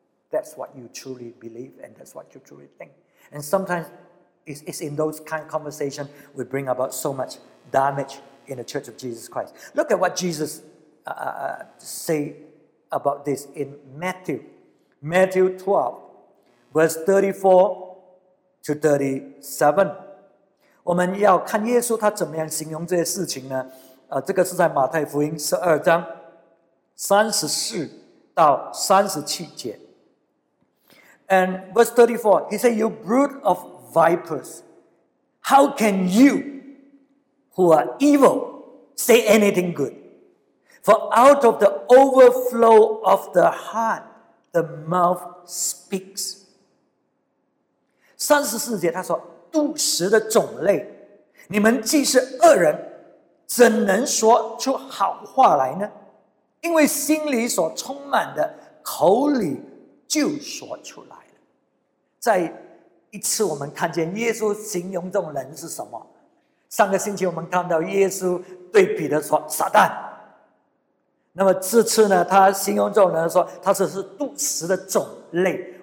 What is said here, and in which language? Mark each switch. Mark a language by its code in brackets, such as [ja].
[en] That's what you truly believe and that's what you truly think. And sometimes it's in those kind of conversations we bring about so much damage in the Church of Jesus Christ. Look at what Jesus say about this in Matthew 12, verse 34 to 37. [zh] 我们要看耶稣他怎么样形容这些事情呢？这个是在马太福音12章34到37节。 [en] And verse 34, he said, "You brood of vipers, how can you, who are evil, say anything good? For out of the overflow of the heart, the mouth speaks." [zh] 34节他说，毒食的种类，你们既是恶人，怎能说出好话来呢？因为心里所充满的，口里就说出来。再一次我们看见耶稣形容这种人是什么，上个星期我们看到耶稣对彼得说撒旦，那么这次呢他形容这种人说他只是毒食的种类。